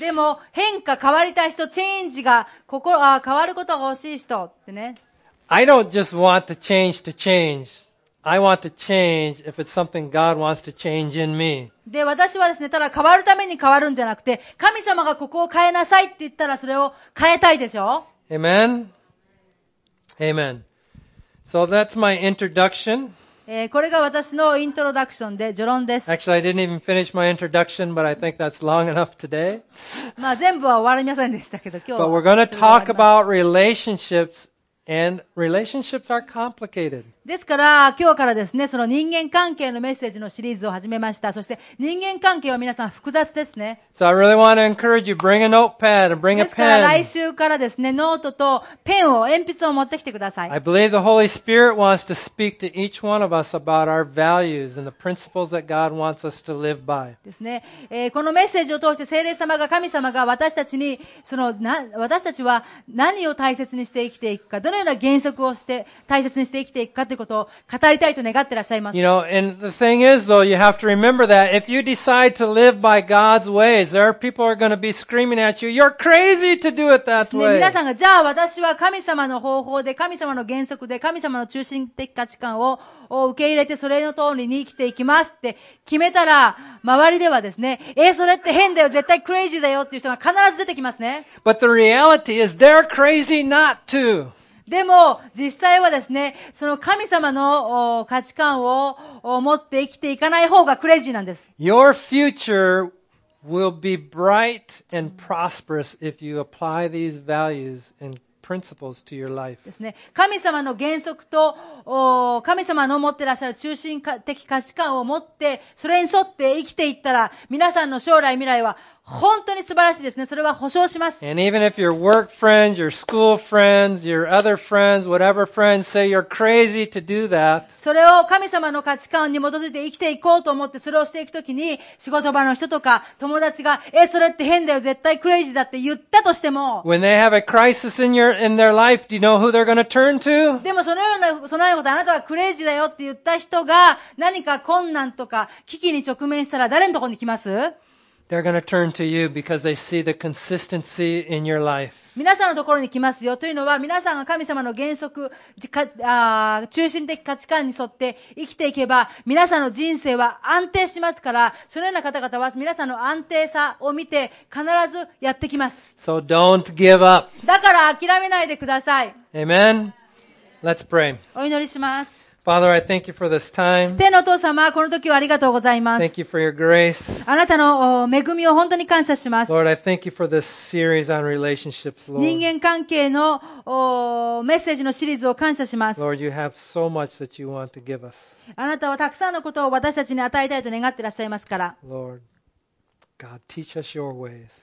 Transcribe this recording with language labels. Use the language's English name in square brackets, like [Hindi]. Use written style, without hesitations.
[Japanese] でも、変化変わりたい人、チェンジが、変わることが欲しい人ってね。 [English] I don't just want to change to change. I want to change if it's something God wants to change in me. [Japanese] で、私はですね、ただ変わるために変わるんじゃなくて、神様がここを変えなさいって言ったらそれを変えたいでしょ [English] ?Amen? Amen. So that's my introduction. [Japanese] これが私のイントロダクションで、序論です。 [English] Actually, I didn't even finish my introduction, but I think that's long enough today. [Japanese] まあ全部は終わりませんでしたけど、今日は。 [English] But we're going to talk about relationships And relationships are complicated. [Japanese] ですから今日からですね、その人間関係のメッセージのシリーズを始めました。そして人間関係は皆さん複雑ですね。 [English] So I really want to encourage you, bring a notepad and bring a pen. [Japanese] ですから来週からですね、ノートとペンを、鉛筆を持ってきてください。 [English] I believe the Holy Spirit wants to speak to each one of us about our values and the principles that God wants us to live by. [Japanese] ですね、このメッセージを通して聖霊様が、神様が私たちに、その、私たちは何を大切にして生きていくか、どのような原則をして大切にして生きていくかということを語りたいと願ってらっしゃいます。 [English] You know, and the thing is, though, you have to remember that if you decide to live by God's ways, there are people who are going to be screaming at you, "You're crazy to do it that way." [Japanese] 皆さんが、じゃあ私は神様の方法で、神様の原則で、神様の中心的価値観を受け入れて、それの通りに生きていきますって決めたら、周りではですね、それって変だよ、絶対クレイジーだよっていう人が必ず出てきますね。 [English] But the reality is, they're crazy not to. [Japanese] でも実際はですね、その神様の価値観を持って生きていかない方がクレイジーなんです。 [English] Your future will be bright and prosperous if you apply these values and principles to your life. [Japanese] ですね。神様の原則と神様の持ってらっしゃる中心的価値観を持って、それに沿って生きていったら、皆さんの将来未来は本当に素晴らしいですね。それは保証します。 [English] And even if your work friends, your school friends, your other friends, whatever friends say you're crazy to do that. [Japanese] それを神様の価値観に基づいて生きていこうと思ってそれをしていくときに、仕事場の人とか友達が、それって変だよ、絶対クレイジーだって言ったとしても。 [English] When they have a crisis in their life, do you know who they're going to turn to? [Japanese] でもそのような、そのようなこと、あなたはクレイジーだよって言った人が、何か困難とか危機に直面したら誰のところに来ます？ [English] They're going to turn to you because they see the consistency in your life. [Japanese] 皆さんのところに来ますよというのは、皆さんが神様の原則、中心的価値観に沿って生きていけば、皆さんの人生は安定しますから、そのような方々は皆さんの安定さを見て必ずやってきます。 [English] So don't give up. [Japanese] だから諦めないでください。 [English] Amen. Let's pray. [Japanese] お祈りします。 [English] Father, I thank you for this time. [Japanese] 天のお父様、この時はありがとうございます。 [English] Thank you for your grace. [Japanese] あなたの恵みを本当に感謝します。 [English] Lord, I thank you for this series on relationships, Lord. [Japanese] 人間関係のメッセージのシリーズを感謝します。 [English] Lord, you have so much that you want to give us. [Japanese] あなたはたくさんのことを私たちに与えたいと願ってらっしゃいますから。 [English] Lord, God, teach us your ways.